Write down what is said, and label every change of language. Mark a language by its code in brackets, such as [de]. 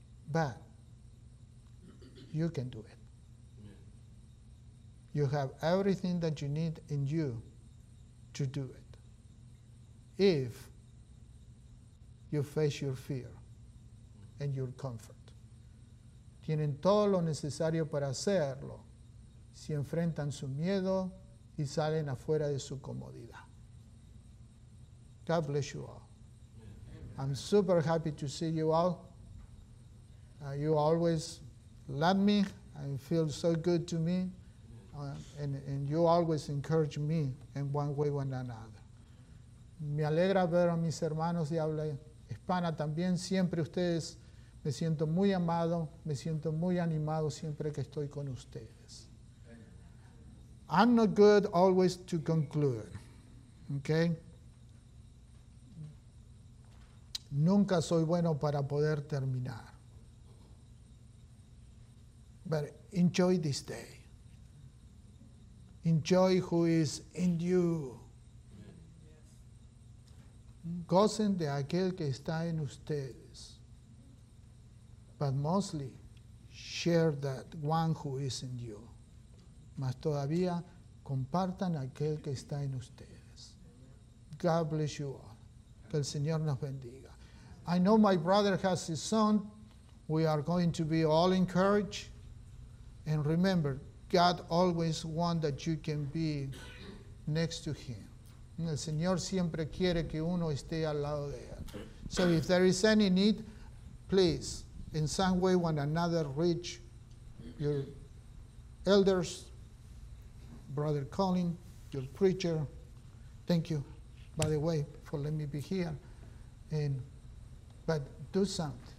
[en] But you can do it. You have everything that you need in you to do it, if you face your fear and your comfort. [es] Tienen todo lo necesario para hacerlo si enfrentan su miedo y salen afuera de su comodidad. [en] God bless you all. I'm super happy to see you all. You always love me and feel so good to me. And you always encourage me in one way or another. [es] Me alegra ver a mis hermanos de habla hispana también. Siempre ustedes, me siento muy amado, me siento muy animado siempre que estoy con ustedes. [en] I'm not good always to conclude, okay? [es] Nunca soy bueno para poder terminar. [en] But enjoy this day. Enjoy who is in you. [es] Gocen de aquel que está en ustedes. [en] But mostly, share that one who is in you. [es] Mas todavía, compartan aquel que está en ustedes. [en] God bless you all. [es] Que el Señor nos bendiga. [en] I know my brother has his son. We are going to be all encouraged. And remember, God always wants that you can be next to him. [es] El Señor siempre quiere que uno esté al lado de él. [en] So if there is any need, please, in some way, one another, reach your elders, Brother Colin, your preacher. Thank you, by the way, for letting me be here. But do something.